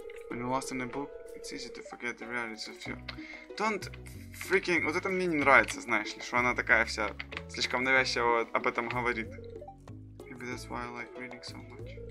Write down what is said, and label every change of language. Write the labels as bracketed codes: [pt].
[en] When you're lost in a book, it's easy to forget the realities of you. Don't freaking... [ru] Вот это мне не нравится, знаешь ли, что она такая вся слишком навязчиво об этом говорит. [en] Maybe that's why I like reading so much.